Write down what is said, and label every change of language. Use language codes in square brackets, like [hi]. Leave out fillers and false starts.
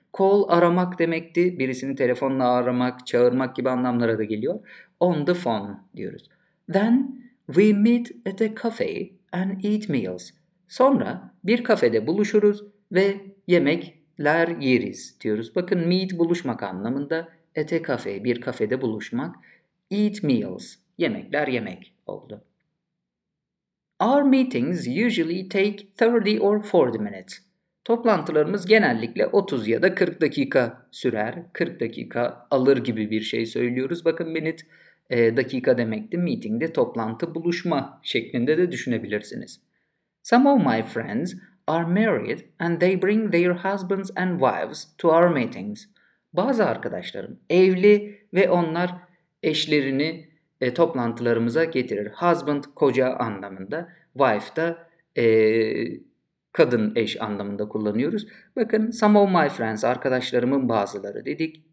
[tr] Call aramak demekti, birisini telefonla aramak, çağırmak gibi anlamlara da geliyor. [en] On the phone [tr] diyoruz. [en] Then we meet at a cafe and eat meals. [tr] Sonra bir kafede buluşuruz ve yemekler yeriz diyoruz. Bakın, meet buluşmak anlamında, [en] at a cafe [tr] bir kafede buluşmak, [en] eat meals [tr] yemekler yemek oldu. [en] Our meetings usually take 30 or 40 minutes. [tr] Toplantılarımız genellikle 30 ya da 40 dakika sürer. 40 dakika alır gibi bir şey söylüyoruz. Bakın, minute dakika demekti. Meeting de toplantı, buluşma şeklinde de düşünebilirsiniz. [en] Some of my friends are married and they bring their husbands and wives to our meetings. [tr] Bazı arkadaşlarım evli ve onlar eşlerini toplantılarımıza getirir. Husband, koca anlamında. Wife da kadın eş anlamında kullanıyoruz. Bakın, [en] some of my friends, [tr] arkadaşlarımın bazıları dedik.